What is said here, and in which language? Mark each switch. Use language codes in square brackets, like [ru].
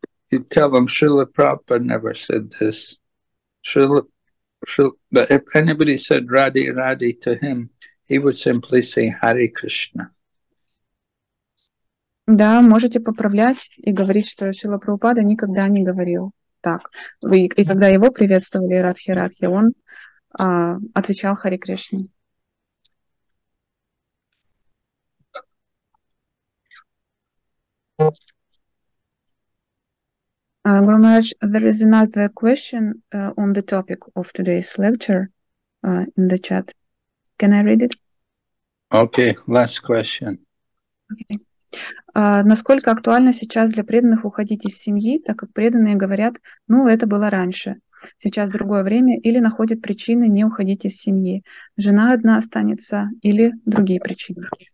[en] You tell them Srila Prabhupada never said this. But if anybody said Radhi Radhi to him, he would simply say Hare Krishna. [ru] Да, можете поправлять и говорить, что Шрила Прабхупада никогда не говорил так. И когда его приветствовали Радхи Радхи, он отвечал Хари Кришна. [en] Guru Maharaj, there is another question on the topic of today's lecture in the chat. Can I read it? Okay, last question. Okay. [ru] Насколько актуально сейчас для преданных уходить из семьи, так как преданные говорят, ну, это было раньше, сейчас другое время, или находят причины не уходить из семьи, жена одна останется или другие причины?